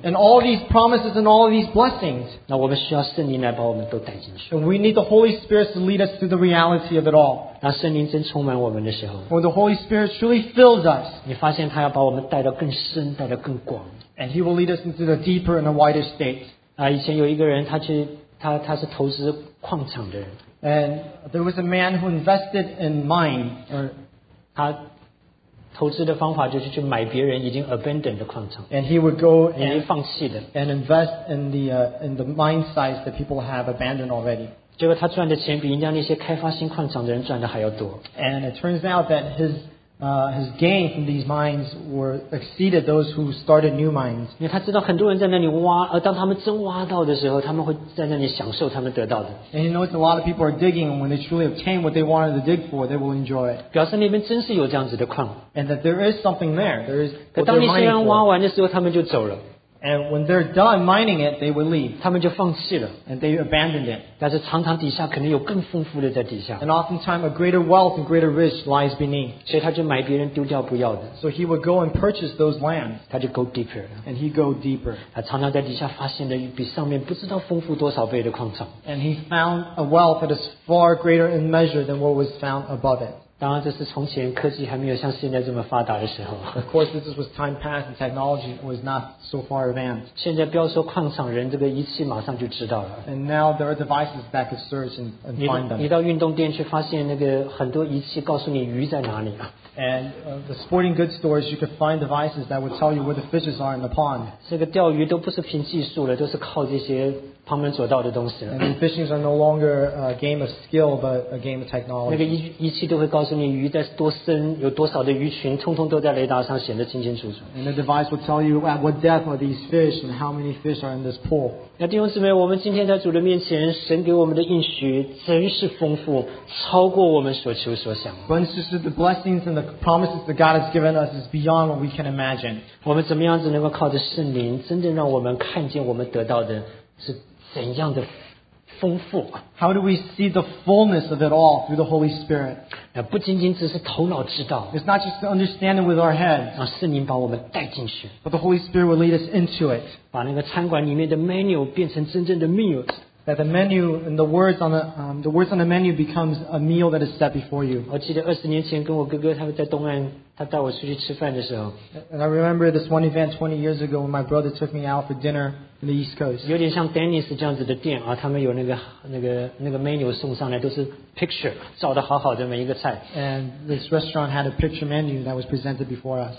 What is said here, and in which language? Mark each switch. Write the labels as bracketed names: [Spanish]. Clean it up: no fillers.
[English] And all these promises and all these blessings. [Chinese] 那我们需要圣灵来把我们都带进去。 [English] And we need the Holy Spirit to lead us through the reality of it all. [Chinese] 当圣灵真充满我们的时候 [English] When the Holy Spirit truly fills us, [Chinese] 你发现他要把我们带到更深带到更广 [English] And he will lead us into the deeper and the wider state. [Chinese] 以前有一个人他是投资矿场的人 [English] And there was a man who invested in mine. [Chinese] 他投资的方法就是去买别人已经 abandoned 的矿场 [English] And he would go and, [Chinese] 已经放弃的 [English] and invest in the mine sites that people have abandoned already. [Chinese] 结果他赚的钱比人家那些开发新矿场的人赚的还要多。 [English] And it turns out that his gain from these mines were exceeded those who started new mines. [Chinese] 因为他知道很多人在那里挖，而当他们真挖到的时候，他们会在那里享受他们得到的。 [English] And he knows a lot of people are digging, and when they truly obtain what they wanted to dig for, they will enjoy it. [Chinese] 表示那边真是有这样子的矿。 [English] And that there is something there. There is. [Chinese] 可当那些人挖完的时候，他们就走了。 [English] And when they're done mining it, they will leave. [Chinese] 他们就放弃了 [English] And they abandoned it. [Chinese] 但是常常底下可能有更丰富的在底下 [English] And oftentimes a greater wealth and greater rich lies beneath. [Chinese] 所以他就买别人丢掉不要的 [English] So he would go and purchase those lands. [Chinese] 他就 [English] go deeper. And he go deeper. [Chinese] 他常常在底下发现了比上面不知道丰富多少倍的矿场 [English] And he found a wealth that is far greater in measure than what was found above it. [Chinese] 当然这是从前科技还没有像现在这么发达的时候。 [English] Of course, this was time passed and technology was not so far advanced. [Chinese] 现在不要说矿场人这个仪器马上就知道了。 [English] And now there are devices that can search and find them. [Chinese] 你到运动店去发现那个很多仪器告诉你鱼在哪里。 [English] And the sporting goods stores, you can find devices that would tell you where the fishes are in the pond. [Chinese] 这个钓鱼都不是凭技术了都是靠这些旁门左道的东西。 [English] And fishing is no longer a game of skill, but a game of technology. [Chinese] 那个仪器都会告诉你鱼在多深，有多少的鱼群，通通都在雷达上显得清清楚楚。 [English] And the device will tell you at what depth are these fish and how many fish are in this pool. [Chinese] 那弟兄姊妹，我们今天在主的面前，神给我们的应许真是丰富，超过我们所求所想。 [English] But it's just the blessings and the promises that God has given us is beyond what we can imagine. [Chinese] 我们怎么样子能够靠着圣灵，真正让我们看见我们得到的是？怎样的丰富 [English] How do we see the fullness of it all through the Holy Spirit? [Chinese] 不仅仅只是头脑知道 [English] It's not just to understand it with our heads. [Chinese] 让圣灵把我们带进去 [English] But the Holy Spirit will lead us into it. [Chinese] 把那个餐馆里面的 menu 变成真正的 meal. [English] That the menu and the words on the menu becomes a meal that is set before you. [Chinese] 我记得20年前跟我哥哥他们在东岸他带我出去吃饭的时候 [English] And I remember this one event 20 years ago when my brother took me out for dinner in the East Coast. [Chinese] 有点像 Dennis 这样子的店啊，他们有那个 menu 送上来，都是 picture 照得好好的每一个菜。 [English] And this restaurant had a picture menu that was presented before us.